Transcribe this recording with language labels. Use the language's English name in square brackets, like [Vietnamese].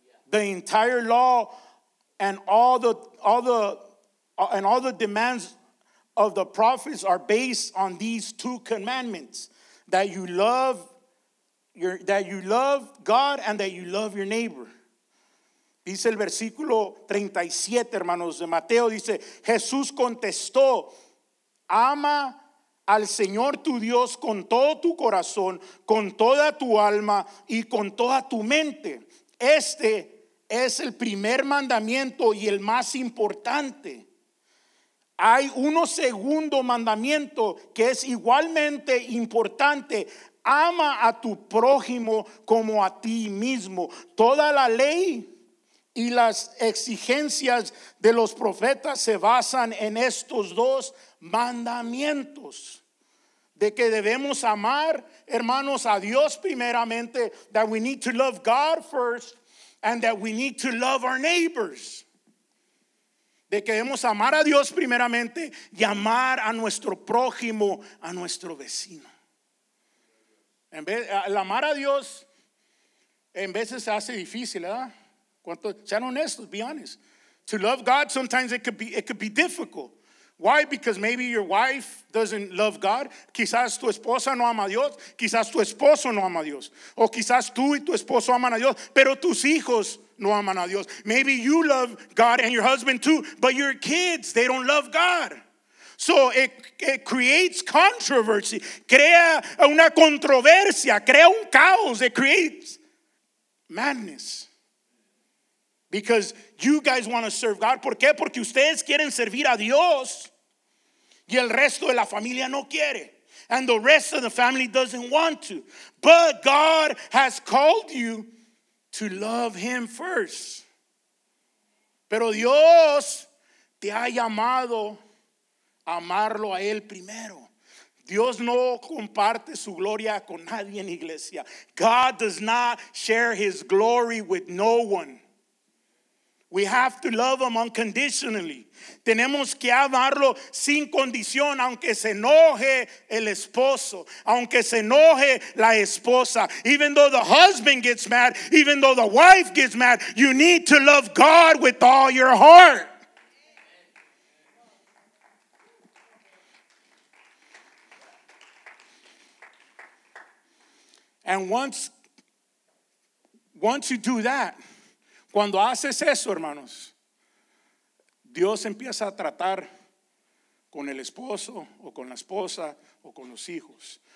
[English] The entire law and all the demands of the prophets are based on these two commandments, that you love God and that you love your neighbor." [Spanish] Dice el versículo 37, hermanos, de Mateo, dice, Jesús contestó, "Ama al Señor tu Dios con todo tu corazón, con toda tu alma y con toda tu mente. Este es el primer mandamiento y el más importante. Hay uno segundo mandamiento que es igualmente importante. Ama a tu prójimo como a ti mismo. Toda la ley y las exigencias de los profetas se basan en estos dos mandamientos." De que debemos amar, hermanos, a Dios primeramente. [English] That we need to love God first. And that we need to love our neighbors. [Spanish] De que debemos amar a Dios primeramente y amar a nuestro prójimo, a nuestro vecino. En vez, el amar a Dios en veces se hace difícil, ¿verdad? Sean honestos, [English] be honest. To love God sometimes it could be difficult. Why? Because maybe your wife doesn't love God. [Spanish] Quizás tu esposa no ama a Dios. Quizás tu esposo no ama a Dios. O quizás tú y tu esposo aman a Dios, pero tus hijos no aman a Dios. [English] Maybe you love God and your husband too, but your kids, they don't love God. So it creates controversy. [Spanish] Crea una controversia. Crea un caos. [English] It creates madness. Because you guys want to serve God. [Spanish] ¿Por qué? Porque ustedes quieren servir a Dios. Y el resto de la familia no quiere. [English] And the rest of the family doesn't want to. But God has called you to love Him first. [Spanish] Pero Dios te ha llamado a amarlo a Él primero. Dios no comparte su gloria con nadie en iglesia. [English] God does not share His glory with no one. We have to love Him unconditionally. [Spanish] Tenemos que amarlo sin condición, aunque se enoje el esposo, aunque se enoje la esposa. [English] Even though the husband gets mad, even though the wife gets mad, you need to love God with all your heart. And once you do that, [Spanish] cuando haces eso, hermanos, Dios empieza a tratar con el esposo o con la esposa o con los hijos.